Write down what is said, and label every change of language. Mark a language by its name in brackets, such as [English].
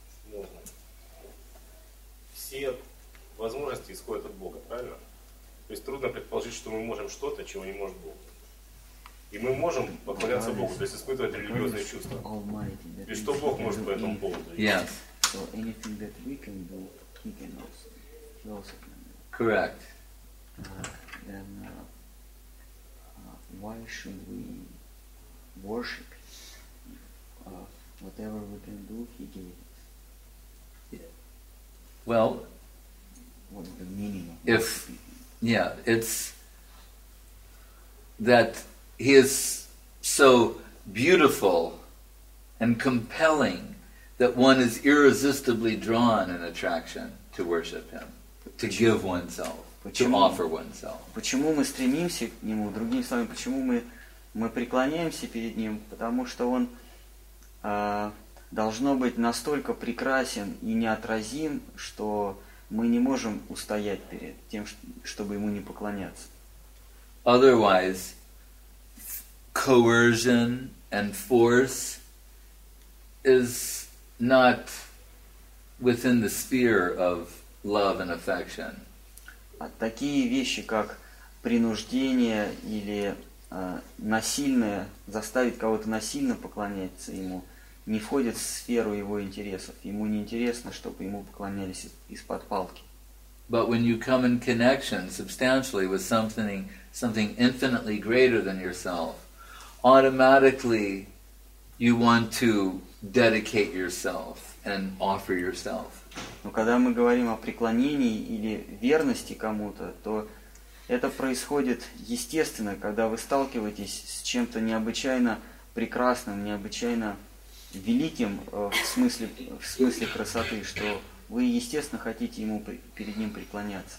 [Russian] Можно. Все возможности исходят от Бога, правильно? То есть трудно предположить, что мы можем что-то, чего не может Бог. И мы можем поклоняться Богу, то есть испытывать религиозные чувства. И что Бог может по этому поводу? [English] Yes. So anything that we can do, he can also. He also can do. Correct. Then why should we worship whatever we can do, he gave us? Yeah. Well, what is the meaning of if, yeah, it's that he is so beautiful and compelling that one is irresistibly drawn in attraction to worship him, to give oneself. [Russian] Почему, [English] to offer oneself. [Russian] Почему мы стремимся к нему, другими словами, почему мы преклоняемся перед ним? Потому что он должно быть настолько прекрасен и неотразим, что мы не можем устоять перед тем, чтобы ему не поклоняться. [English] Otherwise, coercion and force is not within the sphere of love and affection. [Russian] Такие вещи, как принуждение или насильное, заставить кого-то насильно поклоняться ему, не входят в сферу его интересов. Ему не интересно, чтобы ему поклонялись из-под палки. [English] But when you come in connection substantially with something infinitely greater than yourself, automatically you want to dedicate yourself and offer yourself. [Russian] Но когда мы говорим о преклонении или верности кому-то, то это происходит естественно, когда вы сталкиваетесь с чем-то необычайно прекрасным, необычайно великим в смысле красоты, что вы естественно хотите ему перед ним преклоняться.